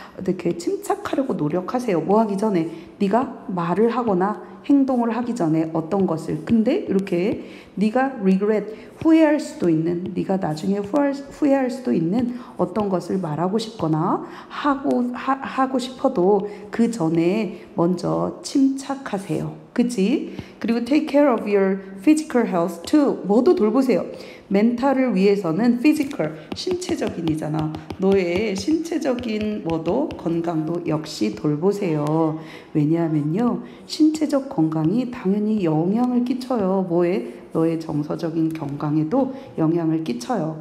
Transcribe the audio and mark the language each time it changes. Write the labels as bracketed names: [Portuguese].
[Korean] 이렇게 침착하려고 노력하세요. 뭐 하기 전에? 네가 말을 하거나 행동을 하기 전에 어떤 것을. 근데 이렇게 네가 regret, 후회할 수도 있는, 네가 나중에 후회할 수도 있는 어떤 것을 말하고 싶거나 하고 싶어도 그 전에 먼저 침착하세요. 그치? [English] 그리고 take care of your physical health too. [Korean] 모두 돌보세요. 멘탈을 위해서는 physical, 신체적인이잖아. 너의 신체적인 뭐도 건강도 역시 돌보세요. 왜냐하면요. 신체적 건강이 당연히 영향을 끼쳐요. 뭐에? 너의 정서적인 건강에도 영향을 끼쳐요.